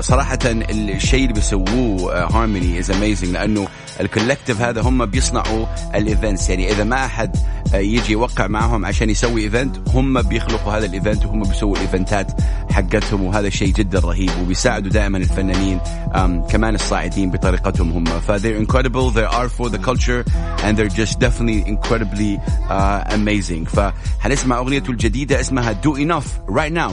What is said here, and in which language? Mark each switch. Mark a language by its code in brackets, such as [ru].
[ar] صراحة الشيء اللي بيسووه [en] Harmony is amazing [ar] لأنه الكولكتيف هذا هم بيصنعوا الإيفنتس, يعني إذا ما أحد يجي يوقع معهم عشان يسوي إيفنت هم بيخلقوا هذا الإيفنت وهم بيسووا الإيفنتات حقتهم, وهذا شيء جدا رهيب وبيساعدوا دائما الفنانين كمان الصاعدين بطريقتهم هم. [en] فthey're incredible, they are for the culture and they're just definitely incredibly amazing. [ar] فهنسمع أغنيته الجديدة اسمها Do Enough right now.